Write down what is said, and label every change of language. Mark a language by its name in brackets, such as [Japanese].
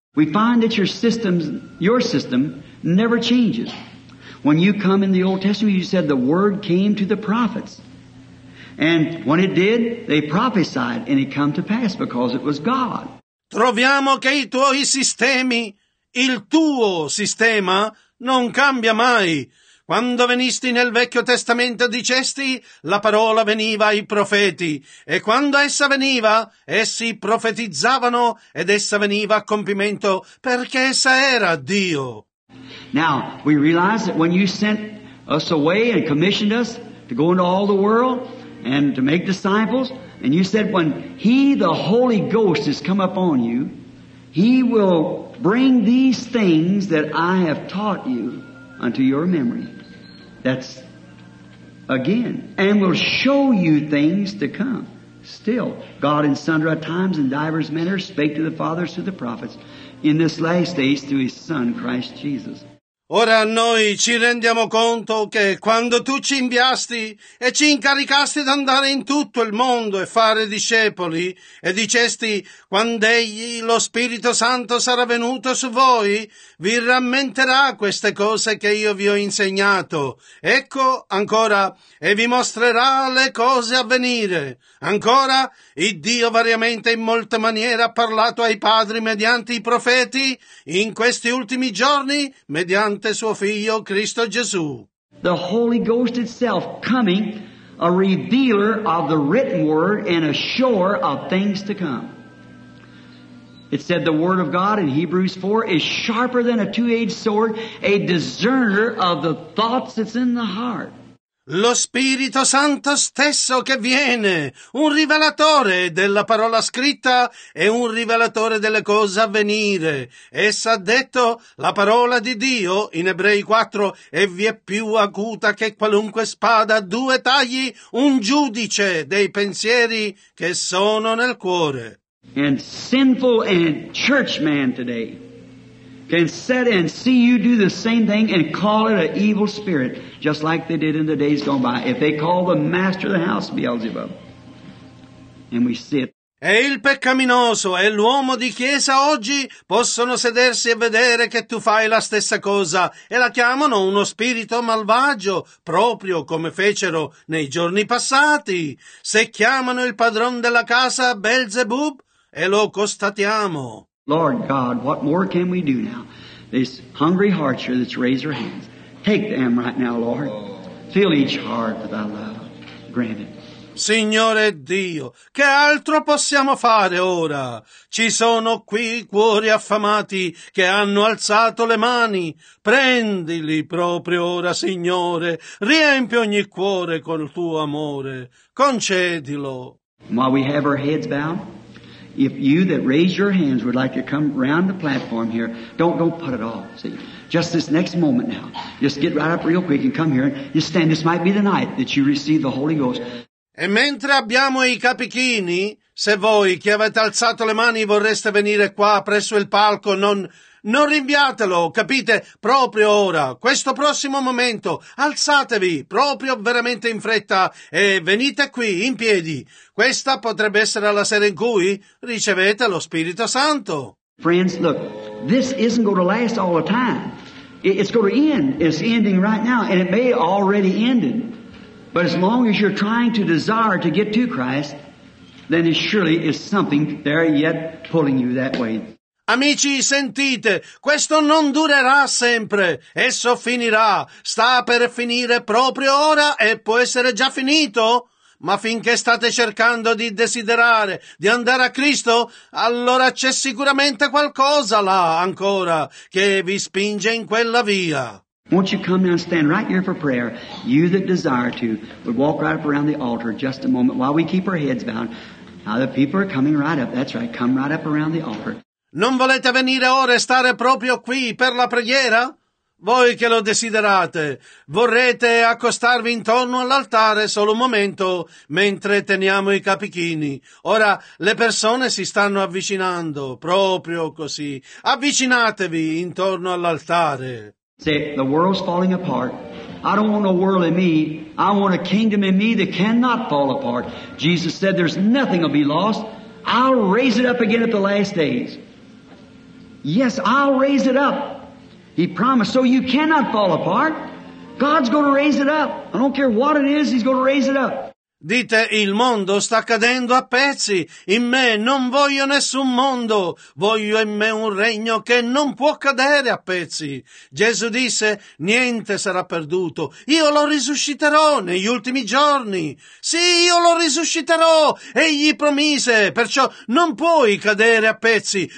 [English] We find that your system never changes. When you come in the Old Testament, you said the word came to the prophets. And when it did, they prophesied and it came to pass because it was God. [Italian] Troviamo che i tuoi sistemi, il tuo sistema, non cambia mai. Quando venisti nel Vecchio Testamento dicesti, la parola veniva ai profeti, e quando essa veniva, essi profetizzavano, ed essa veniva a compimento, perché essa era Dio. [English] Now, we realize that when you sent us away and commissioned us to go into all the world and to make disciples, and you said when He, the Holy Ghost, has come upon you, He will bring these things that I have taught you unto your memory. That's again, and will show you things to come. Still, God in sundry times and divers manners spake to the fathers through the prophets, in this last days through His Son Christ Jesus. [Italian] Ora noi ci rendiamo conto che quando tu ci inviasti e ci incaricasti di andare in tutto il mondo e fare discepoli e dicesti quando egli, lo Spirito Santo, sarà venuto su voi, vi rammenterà queste cose che io vi ho insegnato. Ecco ancora e vi mostrerà le cose a venire. Ancora il Dio variamente in molte maniere ha parlato ai padri mediante i profeti in questi ultimi giorni mediante suo figlio Cristo Gesù. [English] The Holy Ghost itself coming, a revealer of the written word and a shower of things to come. It said the word of God in Hebrews 4 is sharper than a two-edged sword, a discerner of the thoughts that's in the heart. [Italian] Lo Spirito Santo stesso che viene, un rivelatore della parola scritta e un rivelatore delle cose a venire. Essa ha detto, la parola di Dio, in Ebrei 4, e vi è più acuta che qualunque spada a due tagli, un giudice dei pensieri che sono nel cuore. [English] And sinful and church man today can sit and see you do the same thing and call it an evil spirit, just like they did in the days gone by. If they call the master of the house Beelzebub, and we see it. [Italian] E il peccaminoso e l'uomo di chiesa oggi possono sedersi e vedere che tu fai la stessa cosa e la chiamano uno spirito malvagio, proprio come fecero nei giorni passati. Se chiamano il padron della casa Beelzebub, e lo constatiamo. [English] Lord God, what more can we do now? This hungry heart here that's raised their hands. Take them right now, Lord. Fill each heart with thy love. Grant it. [Italian] Signore Dio, che altro possiamo fare ora? Ci sono qui cuori affamati che hanno alzato le mani. Prendili proprio ora, Signore. Riempi ogni cuore col tuo amore. Concedilo. [English] While we have our heads bowed, if you that raise your hands would like to come round the platform here, don't put it off. See, just this next moment now, just get right up real quick and come here and just stand. This might be the night that you receive the Holy Ghost. [Italian] E mentre abbiamo i capichini, se voi che avete alzato le mani vorreste venire qua presso il palco, non rinviatelo, capite? Proprio ora, questo prossimo momento, alzatevi proprio veramente in fretta e venite qui in piedi. Questa potrebbe essere la sera in cui ricevete lo Spirito Santo. [English] Friends, look, this isn't going to last all the time. It's going to end. It's ending right now, and it may already ended. But as long as you're trying to desire to get to Christ, then it surely is something there yet pulling you that way. [Italian] Amici, sentite, questo non durerà sempre, esso finirà, sta per finire proprio ora e può essere già finito, ma finché state cercando di desiderare, di andare a Cristo, allora c'è sicuramente qualcosa là ancora che vi spinge in quella via. [English] Won't you come and stand right here for prayer? You that desire to, would walk right up around the altar just a moment while we keep our heads bowed. Now the people are coming right up, that's right, come right up around the altar. [Italian] Non volete venire ora e stare proprio qui per la preghiera? Voi che lo desiderate, vorrete accostarvi intorno all'altare solo un momento mentre teniamo i capichini. Ora le persone si stanno avvicinando, proprio così. Avvicinatevi intorno all'altare. [English] See, the world's falling apart. I don't want a world in me. I want a kingdom in me that cannot fall apart. Jesus said there's nothing will be lost. I'll raise it up again at the last days. Yes, I'll raise it up. He promised. So you cannot fall apart. God's going to raise it up. I don't care what it is, He's going to raise it up. [Italian] Dite, il mondo sta cadendo a pezzi. In me non voglio nessun mondo. Voglio in me un regno che non può cadere a pezzi. Gesù disse, niente sarà perduto. Io lo risusciterò negli ultimi giorni. Sì, io lo risusciterò. Egli promise, perciò non puoi cadere a pezzi.